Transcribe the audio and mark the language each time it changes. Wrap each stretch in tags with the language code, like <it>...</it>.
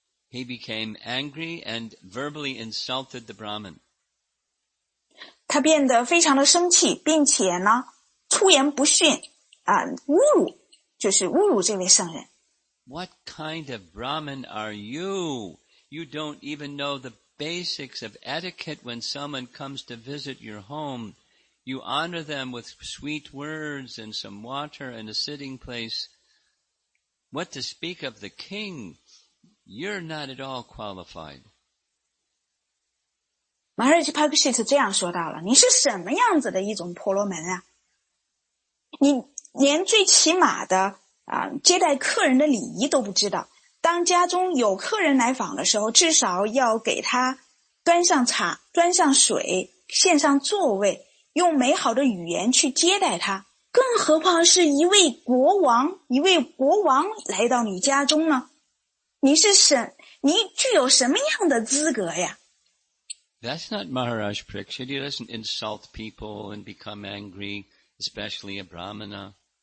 <en>He became angry and verbally insulted the Brahmin.</en> <zh>他变得非常的生气，并且呢，出言不逊，侮辱，就是侮辱这位圣人。</zh> <en>What kind of Brahmin are you? You don't even know the basics of etiquette when someone comes to visit your home. You honor them with sweet words and some water and a sitting place. What to speak of the king? You're not at all qualified.</en> <zh>Maharaj Pariksit 这样说到了，你是什么样子的一种婆罗门啊？你连最起码的接待客人的礼仪都不知道。当家中有客人来访的时候，至少要给他端上茶，端上水，献上座位，用美好的语言去接待他。更何况是一位国王，一位国王来到你家中呢？你具有什么样的资格呀？</zh> <en>That's not Maharaj Pariksit. He doesn't insult people and become angry, especially a brahmana.</en>